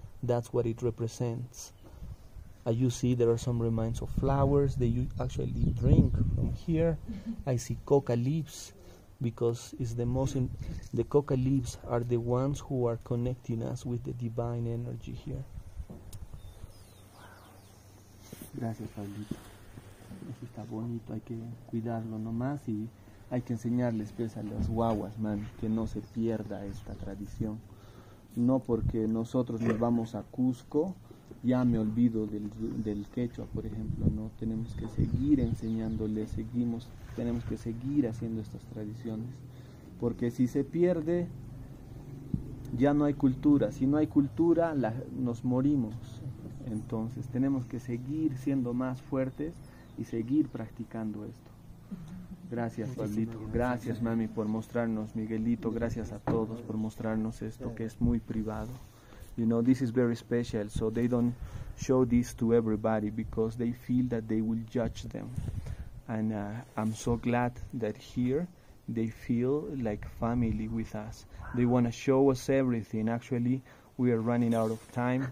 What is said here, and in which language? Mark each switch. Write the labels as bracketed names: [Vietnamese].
[English] That's what it represents. As you see, there are some remains of flowers that you actually drink from here. I see coca leaves, because it's the most, the coca leaves are the ones who are connecting us with the divine energy here. [Spanish] Gracias, Pablito. Eso está bonito, hay que cuidarlo nomás y hay que enseñarles pues a las guaguas, man, que no se pierda esta tradición. No porque nosotros nos vamos a Cusco, ya me olvido del Quechua, por ejemplo, ¿no? Tenemos que seguir enseñándoles, tenemos que seguir haciendo estas tradiciones. Porque si se pierde, ya no hay cultura. Si no hay cultura, nos morimos. Entonces, tenemos que seguir siendo más fuertes y seguir practicando esto. Gracias, Pablito. Gracias, mami, por mostrarnos. Miguelito, gracias a todos por mostrarnos esto, que es muy privado. [English] You know, this is very special, so they don't show this to everybody because they feel that they will judge them. And I'm so glad that here they feel like family with us. They want to show us everything. Actually, we are running out of time.